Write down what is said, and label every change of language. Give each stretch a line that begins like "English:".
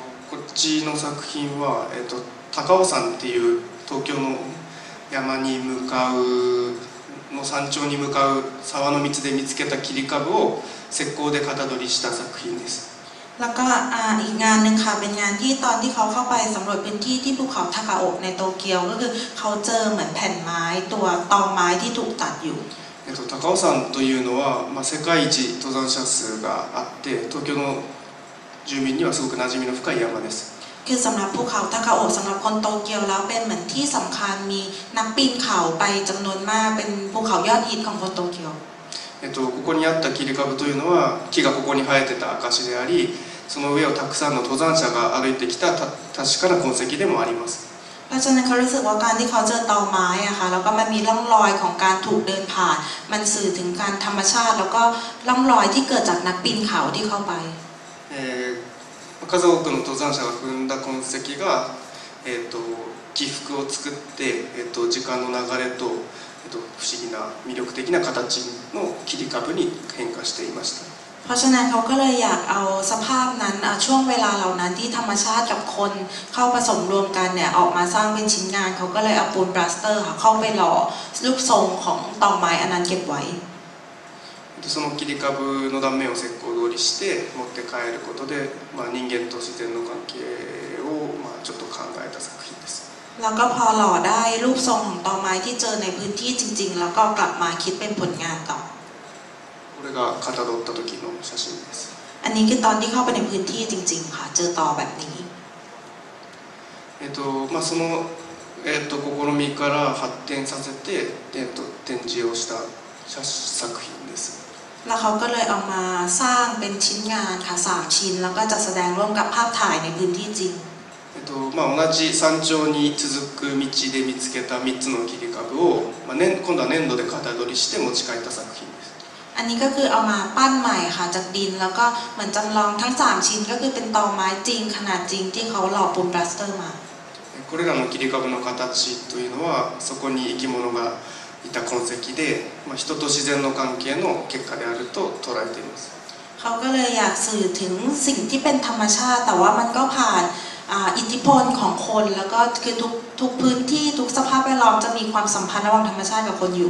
Japanese: こっちの作品は高尾山っていう東京の山に向かうの山頂に向かう沢の道で見つけた切り株を石膏で型取りした作品です。
Thai: แล้วก็อีกงานหนึ่งค่ะเป็นงานที่ตอนที่เขาเข้าไปสำรวจพื้นที่ที่ภูเขาทาคาโอะในโตเกียวก็คือเขาเจอเหมือนแผ่นไม้ตัวตอไม้ที่ถูกตัดอยู่。
Japanese: 高尾山というのはまあ世界一登山者数があって東京の住民にはすごく馴染みの深い山です。
Thai: คือสำหรับภูเขาทาคาโอะสำหรับคนโตเกียวแล้วเป็นเหมือนที่สำคัญมีนักปีนเขาไปจำนวนมากเป็นภูเขายอดฮิตของคนโตเกียว
Japanese: ここにあった切り株というのは木がここに生えてた証でありその上をたくさんの登山者が歩いてきた確かな痕跡でもあります
Thai: เพราะฉะนั้นเขารู้สึกว่าการที่เขาเจอตอไม้อะค่ะแล้วก็มันมีร่องรอยของการถูกเดินผ่านมันสื่อถึงการธรรมชาติแล้วก็ร่องรอยที่เกิดจากนักปีนเขาที่เข้าไป
Japanese: 数多くの登山者が踏んだ痕跡が、起伏を作って、時間の流れと、不思議な魅力的な形の切り株に変化していました。
Thai: เพราะฉะนั้นเขาก็เลยอยากเอาสภาพนั้นช่วงเวลาเหล่านั้นที่ธรรมชาติกับคนเข้าผสมรวมกันเนี่ยออกมาสร้างเป็นชิ้นงานเขาก็เลยเอาปูนปลาสเตอร์เข้าไปหล่อรูปทรงของตอไม้อันนั้นเก็บไว้
Japanese: その切り株の断面を石膏通りして持って帰ることで、まあ人間と自然の関係をまあちょっと考えた作品です。
Thai: แล้วก็พอหล่อได้รูปทรงของตอไม้ที่เจอในพื้นที่จริงๆแล้วก็กลับมาคิดเป็นผลงานต่อ
Japanese: これが型取った時の写真です。
Thai: อันนี้คือตอนที่เข้าไปในพื้นที่จริงๆค่ะเจอต่อแบบนี้
Japanese: まあその試みから発展させて展示をした作品です。
Thai: แล้วเขาก็เลยเอามาสร้างเป็นชิ้นงานค่ะ3ชิ้นแล้วก็จะแสดงร่วมกับภาพถ่ายในพื้นที่จริง
Japanese: まあ同じ山頂に続く道で見つけた3つの切り株を、まあ、ね、今度は粘土で型取りして持ち帰った作品です。
Thai: อันนี้ก็คือเอามาปั้นใหม่ค่ะจากดินแล้วก็เหมือนจำลองทั้ง3ชิ้นก็คือเป็นตอไม้จริงขนาดจริงที่เขาหล่อปูนปลาสเตอร์มา。
Japanese: これらの切り株の形というのはそこに生き物がいた痕跡で、まあ、人と自然の関係の結果であると捉えています。
Thai: เขาก็เลยอยากสื่อถึงสิ่งที่เป็นธรรมชาติแต่ว่ามันก็ผ่านอิทธิพลของคนแล้วก็คือทุกพื้นที่ทุกสภาพแวดล้อมจะมีความสัมพันธ์ระหว่างธรรมชาติกับคนอยู